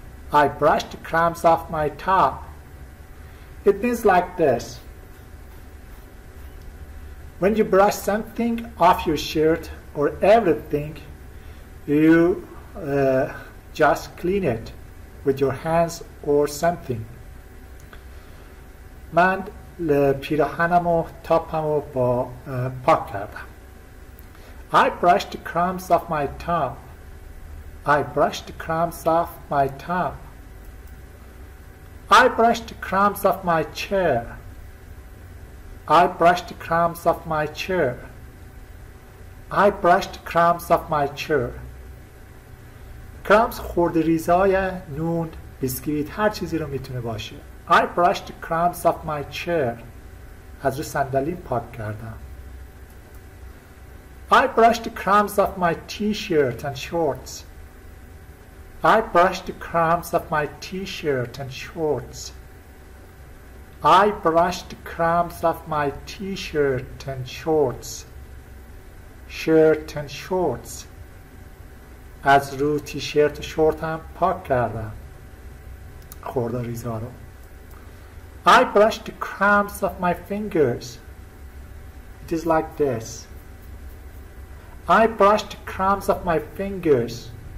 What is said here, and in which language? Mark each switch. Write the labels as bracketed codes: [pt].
[en] I brush the crumbs off my top. It means like this. When you brush something off your shirt or everything, you just clean it with your hands or something. [fa] من پیراهنمو تاپمو با پاک کردم. [en] I brush the crumbs off my top. I brush the crumbs off my top. I brush the crumbs off my chair. I brush the crumbs off my chair. I brush the crumbs off my chair. [fa] Crumbs خورده ریزای نون، بیسکویت، هر چیزی رو میتونه باشه. [en] I brush the crumbs off my chair. [fa] از رو صندلی پاک کردم. [en] I brush the crumbs off my t-shirt and shorts. I brush the crumbs off my t-shirt and shorts. I brush the crumbs off my t-shirt and shorts. Shirt and shorts. [fa] از رو تیشرت و شورت هم پاک کردم. خورده ریزا رو. [en] I brush the crumbs off my fingers. It is like this. I brush the crumbs off my fingers.